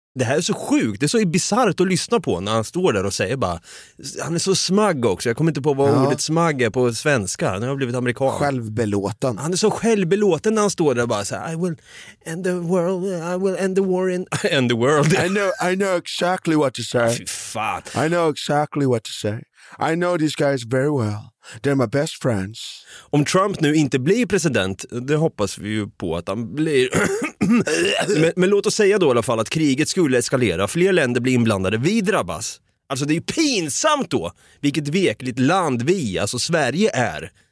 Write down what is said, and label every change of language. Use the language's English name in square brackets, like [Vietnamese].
[Swedish] Det här är så sjukt, det är så bisarrt att lyssna på när han står där och säger bara. Han är så smagg också, jag kommer inte på vad ordet smagg är på svenska. Nu har jag blivit amerikan. Självbelåten. Han är så självbelåten när han står där och bara säger, [English] I will end the world. I know exactly what to say. [Swedish] Fy fan. [English] I know exactly what to say. I know these guys very well. They're my best friends. [Swedish] Om Trump nu inte blir president, det hoppas vi ju på att han blir. men låt oss säga då i alla fall att kriget skulle eskalera, fler länder blir inblandade, vi drabbas. Alltså det är ju pinsamt då, vilket vekligt land vi, alltså Sverige är.